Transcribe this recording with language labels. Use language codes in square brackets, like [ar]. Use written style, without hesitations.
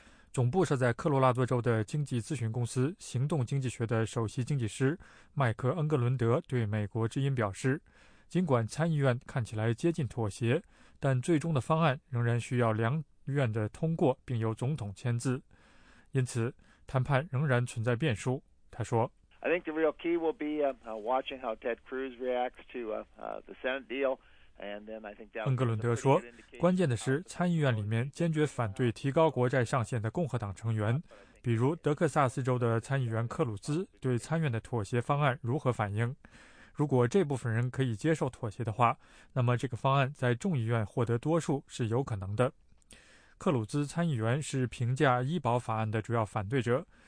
[zh] 总部设在科罗拉多州的经济咨询公司行动经济学的首席经济师麦克·恩格伦德对美国之音表示，尽管参议院看起来接近妥协，但最终的方案仍然需要两院的通过并由总统签字，因此谈判仍然存在变数。他说， [en] I think the real key will be watching how Ted Cruz reacts to the Senate deal, and then I think that. [zh] 恩格伦德说，关键的是参议院里面坚决反对提高国债上限的共和党成员，比如德克萨斯州的参议员克鲁兹对参院的妥协方案如何反应。如果这部分人可以接受妥协的话，那么这个方案在众议院获得多数是有可能的。克鲁兹参议员是评价医保法案的主要反对者，